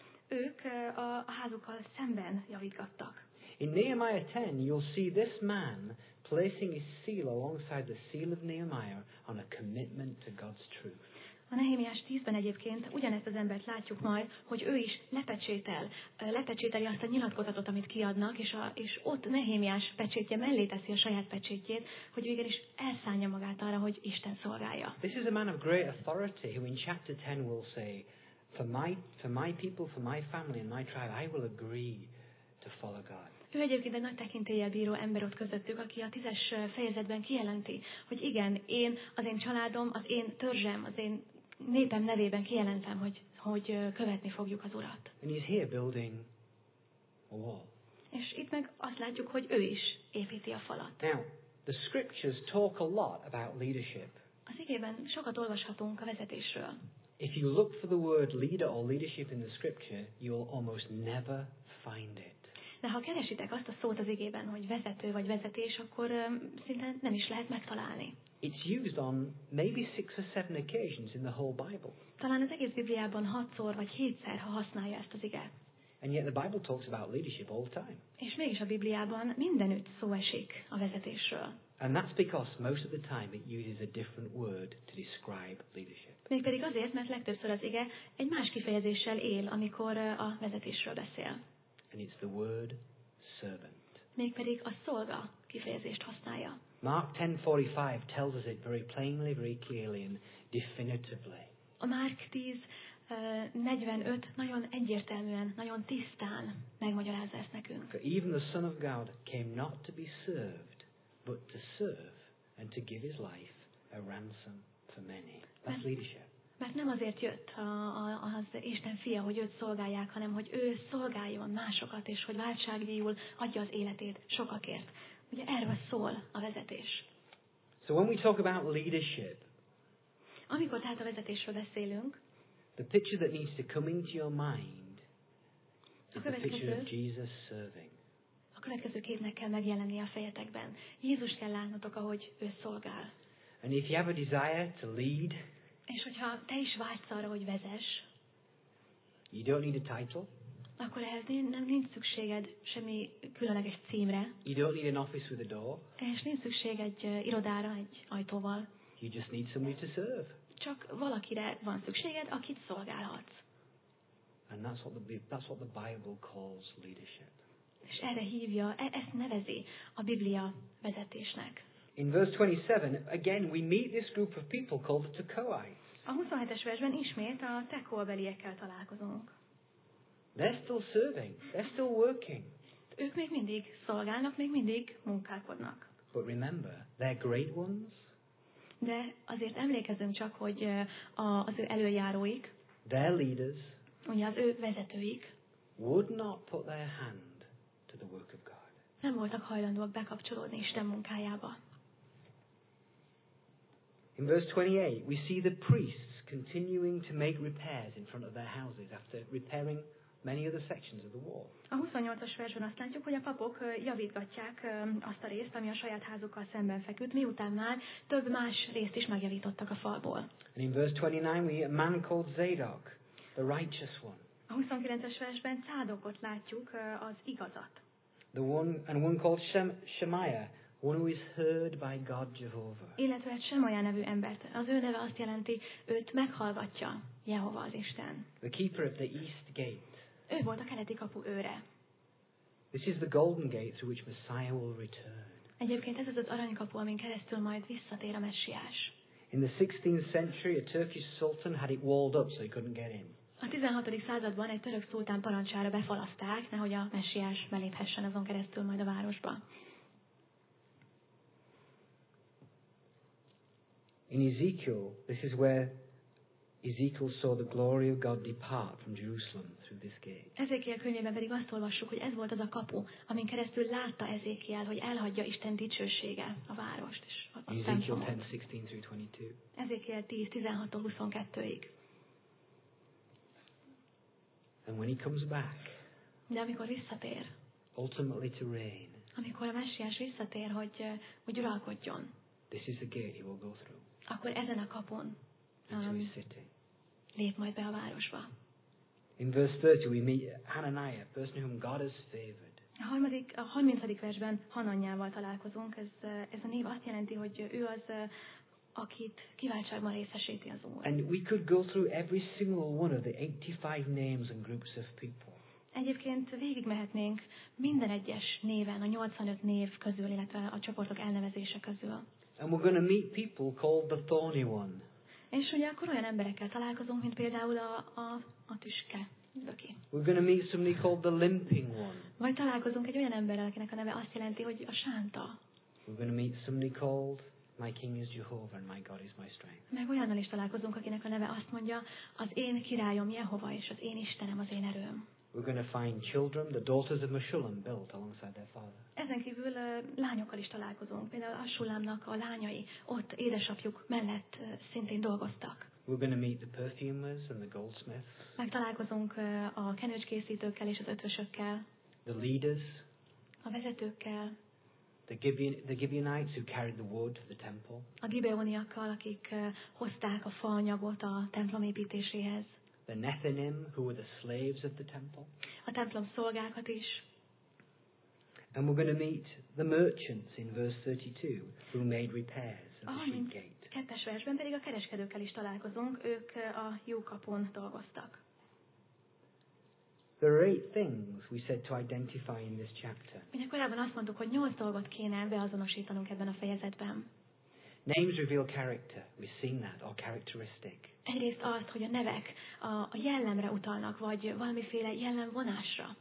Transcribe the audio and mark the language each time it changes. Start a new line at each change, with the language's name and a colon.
Hungarian: Ők a házukkal szemben javítgattak.
English: In Nehemiah 10, you'll see this man placing his seal alongside the seal of Nehemiah on a commitment to God's truth.
Hungarian: A Nehemiás 10-ben egyébként ugyanezt az embert látjuk majd, hogy ő is lepecsételi azt a nyilatkozatot, amit kiadnak, és ott Nehemiás pecsétje mellé teszi a saját pecsétjét, hogy végül is elszánja magát arra, hogy Isten szolgálja.
English: This is a man of great authority who in chapter 10 will say, For my people, for my family and my tribe, I will agree to follow God.
Hungarian: Ő egyébként egy nagy tekintéllyel bíró ember ott közöttük, aki a 10-es fejezetben kijelenti, hogy igen, én, az én családom, az én törzsem, az én népem nevében kijelentem, hogy követni fogjuk az Urat.
English: And he's here building a wall.
Hungarian: És itt meg azt látjuk, hogy ő is építi a falat.
English: Now, the scriptures talk a lot about leadership.
Hungarian: Az igében sokat olvashatunk a vezetésről.
English: If you look for the word leader or leadership in the scripture, you will almost never find it.
Hungarian: De ha keresitek azt a szót az igében, hogy vezető vagy vezetés, akkor szinte nem is lehet megtalálni.
English: It's used on maybe 6 or 7 occasions in the whole Bible.
Hungarian: Talán az egész Bibliában 6-szor vagy 7-szer, ha használja ezt az igét.
English: And yet the Bible talks about leadership all the time.
Hungarian: És mégis a Bibliában mindenütt szó esik a vezetésről.
English: And that's because most of the time it uses a different word to describe leadership.
Hungarian: Mégpedig azért, mert legtöbbször az ige egy más kifejezéssel él, amikor a vezetésről beszél.
English: And it's the word servant.
Hungarian: Mégpedig a szolga kifejezést használja.
English: Mark 10:45 tells us it very plainly, very clearly and definitively.
Hungarian: A Mark 10:45 nagyon egyértelműen, nagyon tisztán megmagyarázza ezt nekünk.
English: Even the Son of God came not to be served, but to serve and to give his life a ransom for many. That's leadership.
Hungarian: Mert nem azért jött az Isten fia, hogy őt szolgálják, hanem hogy ő szolgáljon másokat, és hogy váltságdíjul adja az életét sokakért. Ugye erről szól a vezetés.
English: So when we talk about leadership,
Hungarian: amikor tehát a vezetésről beszélünk,
English: the picture that needs to come into your mind is the picture of Jesus serving.
Hungarian: A következő képnek kell megjelenni a fejetekben. Jézus kell látnotok, ahogy ő szolgál.
English: And if you have a desire to lead,
Hungarian: és hogyha te is vágysz arra, hogy vezess,
English: you don't need a title,
Hungarian: akkor ehhez nem nincs szükséged semmi különleges címre.
English: You don't need an office with a door,
Hungarian: és nincs szükség egy irodára, egy ajtóval.
English: You just need somebody to serve.
Hungarian: Csak valakire van szükséged, akit szolgálhatsz.
English: And that's what the Bible calls leadership.
Hungarian: És erre hívja, ezt nevezi a Biblia vezetésnek.
English: In verse 27, again we meet this group of people called the Tekoites.
Hungarian: A 27-es versben ismét a Tekoabeliekkel találkozunk.
English: They're still serving. They're still working.
Hungarian: Ők még mindig szolgálnak, még mindig munkálkodnak.
English: But remember, they're great ones.
Hungarian: De azért emlékezzünk csak, hogy az ő előjáróik.
English: Their leaders.
Hungarian: Ugye az ő vezetőik.
English: Would not put their hand to the work of God.
Hungarian: Nem voltak hajlandóak bekapcsolódni Isten munkájába.
English: In verse 28, we see the priests continuing to make repairs in front of their houses after repairing many other sections of the wall.
Hungarian: A 28-as versben azt látjuk, hogy a papok javítgatják azt a részt, ami a saját házukkal szemben feküdt, miután már több más részt is megjavítottak a falból.
English: And in verse 29, we see a man called Zadok, the righteous one.
Hungarian: A 29-as versben Cádokot látjuk, az igazat.
English: The one and one called Shemaiah. One who is heard by God Jehovah.
Hungarian: Illetve egy Semaja nevű embert. Az ő neve azt jelenti, őt meghallgatja Jehova az Isten.
English: The keeper of the east gate.
Hungarian: Ő volt a keleti kapu őre.
English: This is the golden gate through which Messiah will return.
Hungarian: Egyébként ez az aranykapu, amin keresztül majd visszatér a Messiás.
English: In the 16th century, a Turkish sultan had it walled up so he couldn't get in.
Hungarian: A 16. században egy török szultán parancsára befalaszták, nehogy a Messiás beléphessen azon keresztül majd a városba.
English: In Ezekiel, this is where Ezekiel saw the glory of God depart from Jerusalem through this gate.
Hungarian: Ezekiel könyvében pedig azt olvassuk, hogy ez volt az a kapu, amin keresztül látta Ezekiel, hogy elhagyja Isten dicsősége a várost és a templomot.
English: Ezekiel 10:16-22.
Hungarian: Ezekiel 10:16-22.
English: And when he comes back.
Hungarian: De amikor visszatér.
English: Ultimately to reign.
Hungarian: Amikor a Messiás visszatér, hogy uralkodjon.
English: This is the gate he will go through.
Hungarian: Akkor ezen a kapon lép majd be a városba.
English: In verse 30 we meet Hananiah, a person whom God has favored.
Hungarian: A 30. versben Hananyával találkozunk. Ez a név azt jelenti, hogy ő az, akit kiváltságban részesíti az Úr.
English: And we could go through every single one of the 85 names and groups of people.
Hungarian: Egyébként végigmehetnénk minden egyes néven, a 85 név közül, illetve a csoportok elnevezése közül.
English: And we're going to meet people called the thorny one.
Hungarian: És ugye akkor olyan emberekkel találkozunk, mint például a tüske, aki.
English: We're going to meet somebody called the limping one.
Hungarian: Vagy találkozunk egy olyan emberrel, akinek a neve azt jelenti, hogy a sánta.
English: We're going to meet somebody called my King is Jehovah and my God is my strength.
Hungarian: Meg olyannal is találkozunk, akinek a neve azt mondja, az én királyom Jehova és az én Istenem az én erőm.
English: We're going to find children, the daughters of Meshulam built alongside their father.
Hungarian: Ezen kívül lányokkal is találkozunk, például Asulámnak a lányai ott édesapjuk mellett szintén dolgoztak.
English: We're going to meet the perfumers and the goldsmiths.
Hungarian: Megtalálkozunk a kenőcskészítőkkel és az ötvösökkel.
English: The leaders.
Hungarian: A vezetőkkel.
English: The Gibeonites who carried the wood for the temple.
Hungarian: A Gibeoniakkal, akik hozták a faanyagot a templom építéséhez.
English: The Nethinim, who were the slaves of the temple.
Hungarian: A templom szolgákat is.
English: And we're going to meet the merchants in verse 32 who made repairs at the sheep gate.
Hungarian: A kettes versben pedig a kereskedőkkel is találkozunk, ők a jókapon dolgoztak.
English: There are 8 things we said to identify in this chapter.
Hungarian: Mindenkorában azt mondtuk, hogy 8 dolgot kéne beazonosítanunk ebben a fejezetben.
English: Names reveal character. We've seen that, or characteristic.
Hungarian: Egyrészt azt, hogy a nevek a jellemre utalnak, vagy valamiféle jellemvonásra.